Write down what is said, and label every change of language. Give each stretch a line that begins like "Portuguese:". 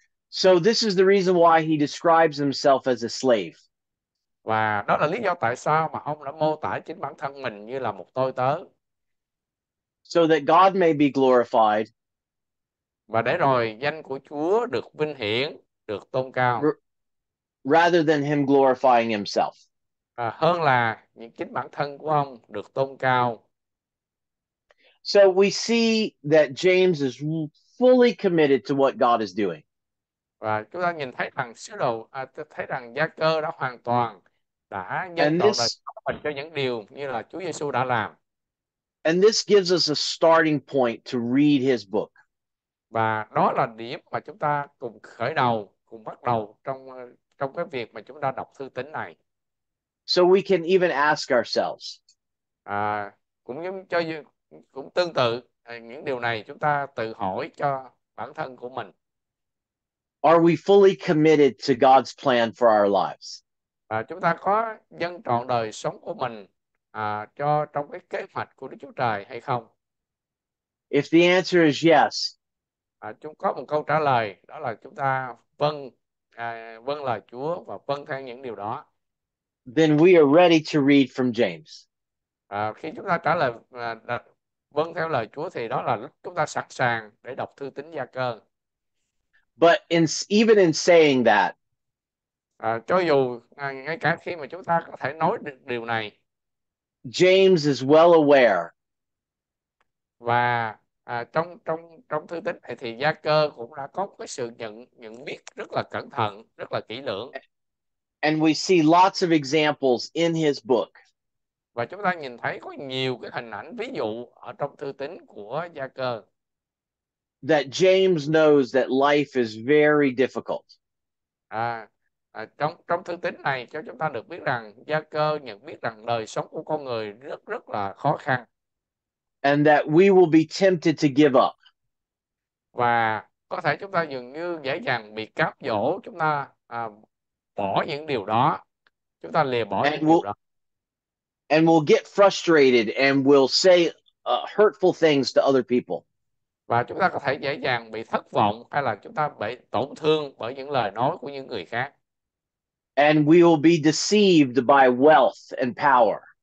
English: So this is the reason why he describes himself as a slave.
Vietnamese: Và đó là lý do tại sao mà ông đã mô tả chính bản thân mình như là một tôi tớ.
English: So that God may be glorified.
Vietnamese: Và để rồi danh của Chúa được vinh hiển, được tôn cao.
English: Rather than him glorifying himself.
Vietnamese: À, hơn là những chính bản thân của ông được tôn cao.
English: So we see that James is fully committed to what God is doing.
Vietnamese: Và chúng ta nhìn thấy rằng sứ đồ à, thấy rằng Gia Cơ đã hoàn toàn đã dâng
English: And
Vietnamese: trọn đời mình cho những điều như là Chúa Giêsu đã làm.
English: this gives us a starting point to read his book.
Vietnamese: Và đó là điểm mà chúng ta cùng khởi đầu, cùng bắt đầu trong trong cái việc mà chúng ta đọc thư tín này.
English: So we can even ask ourselves.
Vietnamese: À, cũng giống cho cũng tương tự những điều này chúng ta tự hỏi cho bản thân của mình.
English: Are we fully committed to God's plan for our lives?
Vietnamese: À, chúng ta có dâng trọn đời sống của mình à, cho trong cái kế hoạch của Đức Chúa Trời hay không?
English: If the answer is yes,
Vietnamese: À, chúng có một câu trả lời, đó là chúng ta vâng à, vâng lời Chúa và vâng theo những điều đó.
English: then we are ready to read from James.
Vietnamese: À, khi chúng ta trả lời à, vâng theo lời Chúa thì đó là lúc chúng ta sẵn sàng để đọc thư tín Gia Cơ.
English: But even in saying that,
Vietnamese: À, cho dù ngay cả khi mà chúng ta có thể nói được điều này,
English: James is well aware
Vietnamese: Và trong trong trong Thư Tín này thì Gia Cơ cũng đã có cái sự nhận biết rất là cẩn thận, rất là kỹ lưỡng.
English: And we see lots of examples in his book.
Vietnamese: Và chúng ta nhìn thấy có nhiều cái hình ảnh ví dụ ở trong Thư Tín của Gia Cơ.
English: That James knows that life is very difficult.
Vietnamese: Trong trong Thư Tín này cho chúng ta được biết rằng Gia Cơ nhận biết rằng đời sống của con người rất rất là khó khăn.
English: And that we will be tempted to give up.
Vietnamese: Và có thể chúng ta dường như dễ dàng bị cám dỗ, chúng ta bỏ những điều đó, chúng ta lìa bỏ những điều đó.
English: And we'll get frustrated and we'll say hurtful things to other people.
Vietnamese: Và chúng ta có thể dễ dàng bị thất vọng hay là chúng ta bị tổn thương bởi những lời nói của những người khác.
English: And we will be deceived by wealth and power.